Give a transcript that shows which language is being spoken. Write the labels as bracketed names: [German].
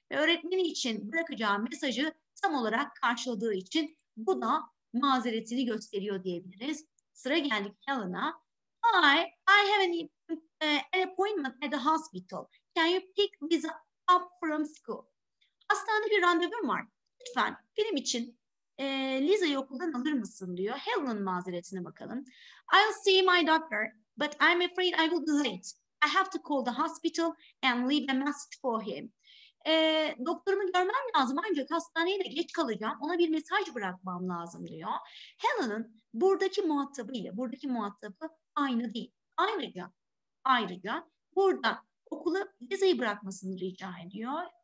[Turkish] Öğretmenim için bırakacağım mesajı tam olarak karşıladığı için bu da mazeretini gösteriyor diyebiliriz. Sıra geldik Helen'a. [English] I have an appointment at the hospital. Can you pick Lisa up from school? [Turkish] Hastanede bir randevum var. Lütfen benim için Lisa'yı okuldan alır mısın diyor. Helen'ın mazeretine bakalım. [English] I'll see my doctor, but I'm afraid I will be late. I have to call the hospital and leave a message for him. [Turkish] Doktorumu görmem lazım ancak hastaneye de geç kalacağım. Ona bir mesaj bırakmam lazım diyor. Helen'ın buradaki muhatabı ile buradaki muhatabı aynı değil. Ayrıca burada okula Lisa'yı bırakmasını rica ediyor.